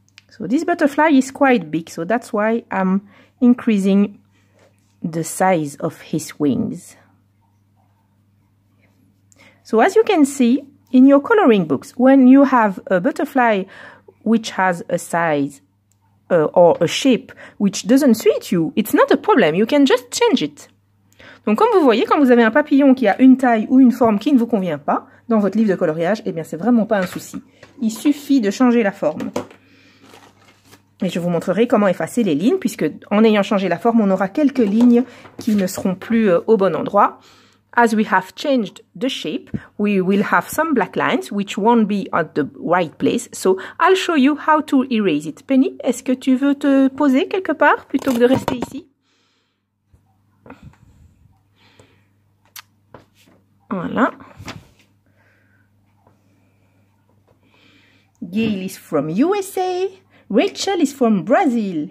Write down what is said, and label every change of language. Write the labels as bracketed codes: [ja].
[en] So this butterfly is quite big, so that's why I'm increasing the size of his wings. So as you can see in your coloring books, when you have a butterfly which has a size or a shape which doesn't suit you, it's not a problem, you can just change it. [fr] Donc comme vous voyez, quand vous avez un papillon qui a une taille ou une forme qui ne vous convient pas dans votre livre de coloriage, eh bien c'est vraiment pas un souci. Il suffit de changer la forme. Et je vous montrerai comment effacer les lignes, puisque en ayant changé la forme, on aura quelques lignes qui ne seront plus au bon endroit. [en] As we have changed the shape, we will have some black lines which won't be at the right place. So I'll show you how to erase it. [fr] Penny, est-ce que tu veux te poser quelque part plutôt que de rester ici? Voilà. [en] Gail is from USA. Rachel is from Brazil.